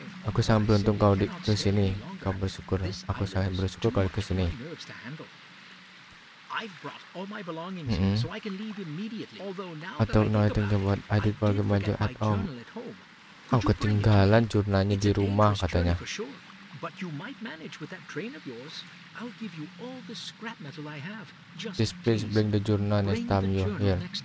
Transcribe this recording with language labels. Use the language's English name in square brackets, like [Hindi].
[Indonesian] Aku sangat beruntung kau di sini. Kau bersyukur. Aku sangat bersyukur kau ke sini. [English] I've brought all my belongings so I can leave immediately. Although now that I don't know what I did for the magic at home. [Indonesian] Oh, ketinggalan jurnalnya di rumah katanya. [English] But you might manage with that train of yours. I'll give you all the scrap metal I have. Just please bring the journal next time you're here.